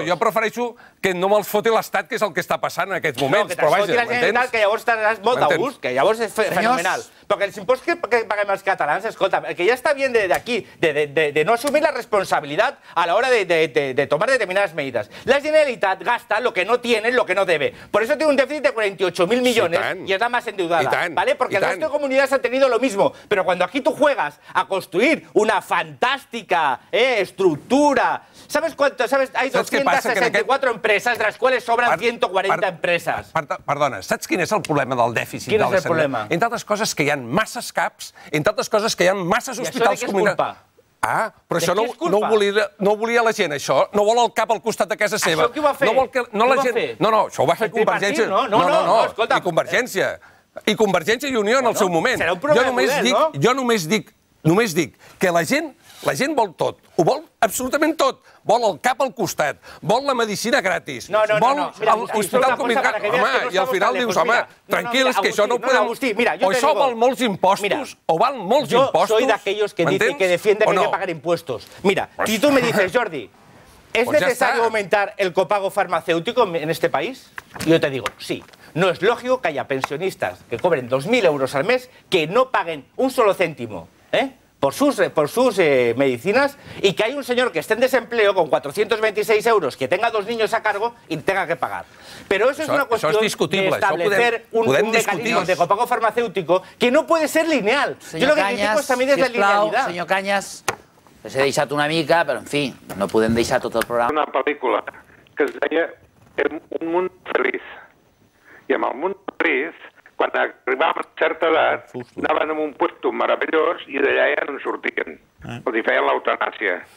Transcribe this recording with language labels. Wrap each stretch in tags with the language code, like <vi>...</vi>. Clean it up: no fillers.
<ca>No, jo prefereixo que no me'ls foti l'Estat, que és el que està passant en aquests moments. Que te'ls foti la Generalitat, que llavors estaràs molt de gust, que llavors és fenomenal. Perquè els impostos que paguem els catalans, escolta, el que ja està bien d'aquí, de no assumir la responsabilitat a l'hora de tomar determinades medidas.</ca> <es>La Generalitat gasta lo que no tiene, lo que no debe. Por eso tiene un déficit de 48.000 millones y está más endeudada. Porque el resto de comunidades ha tenido lo mismo. Pero cuando aquí tú juegas a construir una fantástica estructura... ¿Sabes cuánto? Hay 264 empresas, de las cuales sobran 140 empresas.</es> <ca>Perdona, ¿saps quin és el problema del dèficit?</ca> <es>¿Quién es el problema?</es> <ca>Entre altres coses, que hi ha masses CAPs, entre altres coses, que hi ha masses hospitals... I això de què és culpa? Ah, però això no ho volia la gent, això. No vol el CAP al costat de casa seva. Això qui ho va fer? No, això ho va fer Convergència. No, escolta. I Convergència i Unió en el seu moment. Serà un problema de poder, no? Jo només dic que la gent vol tot. Ho vol absolutament tot. Vol el CAP al costat, vol la medicina gratis, vol l'hospital comunicat. Home, i al final dius, home, tranquil, és que això no ho podem... O això val molts impostos, o val molts impostos.</ca> <es>Yo soy de aquellos que dicen que defienden que hay que pagar impuestos. Mira, si tú me dices, Jordi, ¿es necesario aumentar el copago farmacéutico en este país? Yo te digo, sí. No es lógico que haya pensionistas que cobren 2.000 euros al mes que no paguen un solo céntimo, ¿eh? por sus medicinas, y que hay un señor que esté en desempleo con 426 euros, que tenga dos niños a cargo y tenga que pagar. Pero eso es una cuestión de establecer un mecanismo de copago farmacéutico que no puede ser lineal. Yo lo que critico es también desde la linealidad.</es> <ca>Señor Cañas, les he deixat una mica,</ca> <es>pero en fin, no pueden</es> <ca>deixar tot el programa. Una pel·lícula que es deia Un món feliç. I amb el món feliç... Quan arribàvem a certa edat, anaven a un lloc meravellós i d'allà ja no en sortien. Els feien l'eutanàsia.</ca>